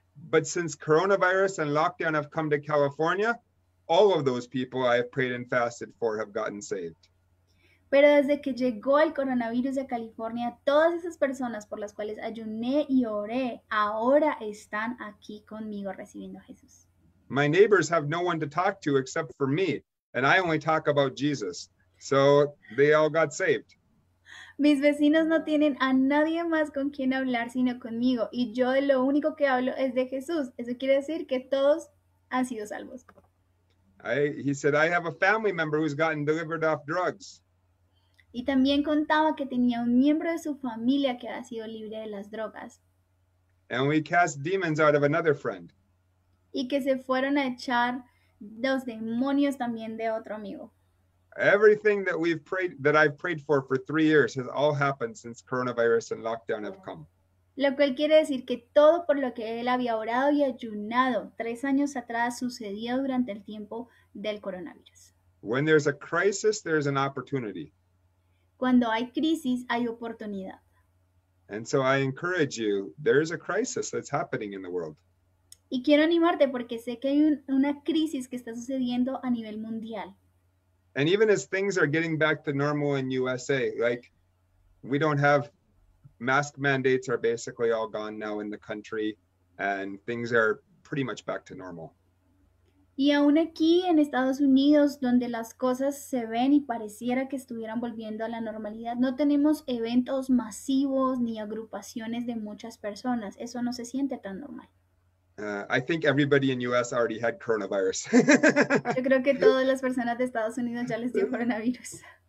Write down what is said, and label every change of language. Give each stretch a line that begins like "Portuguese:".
English: But since coronavirus and lockdown have come to California, all of those people I have prayed and fasted for have gotten saved.
Spanish: Pero desde que llegó el coronavirus de California, todas esas personas por las cuales ayuné y oré, ahora están aquí conmigo recibiendo a Jesús.
English: My neighbors have no one to talk to except for me, and I only talk about Jesus, so they all got saved.
Spanish: Mis vecinos no tienen a nadie más con quien hablar sino conmigo, y yo de lo único que hablo es de Jesús. Eso quiere decir que todos han sido salvos.
English: He said, "I have a family member who's gotten delivered off drugs."
Spanish: Y también contaba que tenía un miembro de su familia que había sido libre de las drogas.
English: And we cast demons out of another friend.
Spanish: Y que se fueron a echar los demonios también de otro amigo.
English: Everything that we've prayed, that I've prayed for 3 years has all happened since coronavirus and lockdown have come.
Spanish: Lo cual quiere decir que todo por lo que él había orado y ayunado 3 años atrás sucedió durante el tiempo del coronavirus.
English: When there's a crisis, there's an opportunity.
Spanish: Cuando hay crisis, hay oportunidad.
English: And so I encourage you, there is a crisis that's happening in the world.
Spanish: Y quiero animarte porque sé que hay una crisis que está sucediendo a nivel mundial.
English: And even as things are getting back to normal in USA, like we don't have mask mandates are basically all gone now in the country, and things are pretty much back to normal.
Spanish: Y aún aquí en Estados Unidos, donde las cosas se ven y pareciera que estuvieran volviendo a la normalidad, no tenemos eventos masivos ni agrupaciones de muchas personas. Eso no se siente tan normal.
English: I think everybody in US already had coronavirus.
Spanish: Yo creo que todas las personas de Estados Unidos ya les dio coronavirus.